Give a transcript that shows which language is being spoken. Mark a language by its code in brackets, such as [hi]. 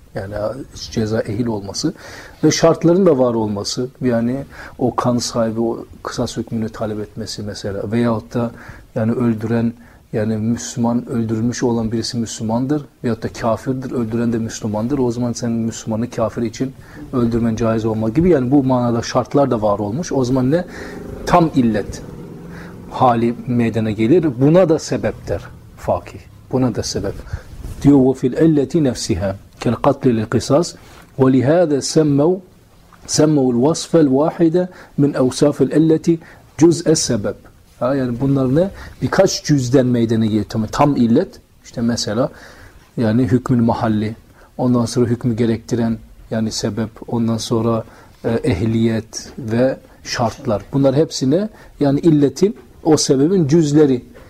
[tr] Yani ceza ehil olması ve şartların da var olması, yani o kan sahibi o kısas hükmünü talep etmesi mesela, veyahut da yani öldüren, yani Müslüman öldürülmüş olan birisi Müslümandır veyahut da kafirdir, öldüren de Müslümandır. O zaman sen Müslümanı kafir için öldürmen caiz olma gibi, yani bu manada şartlar da var olmuş. O zaman ne? Tam illet hali meydana gelir. Buna da sebep der fakih. Buna da sebep. Diyor ve fil illeti nefsiha. [ar] كان قتل للقصاص ولهذا سموا الوصف الواحدة من أوصاف العلة جزء السبب. [tr] Yani bunlar ne? Birkaç cüzden meydana geliyor. Tam illet işte mesela, yani hükmün mahalli, ondan sonra hükmü gerektiren yani sebep, ondan sonra ehliyet ve şartlar. Bunlar hepsine yani illetin, o sebebin cüzleri.